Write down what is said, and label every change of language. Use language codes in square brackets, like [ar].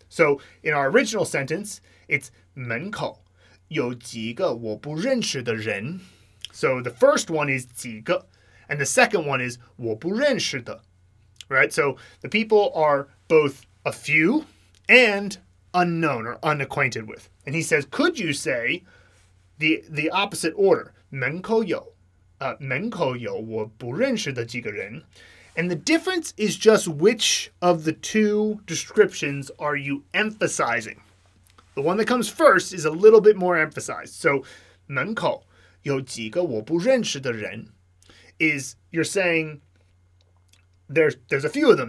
[en] So in our original sentence, it's [zh] 门口有几个我不认识的人. [en] So the first one is 几个, and the second one is 我不认识的, right? So the people are both a few and unknown or unacquainted with. And he says, could you say the opposite order? [zh] 门口有我不认识的几个人. [en] And the difference is just which of the two descriptions are you emphasizing. The one that comes first is a little bit more emphasized. So, [zh] 门口有几个我不认识的人 [en] is you're saying there's a few of them.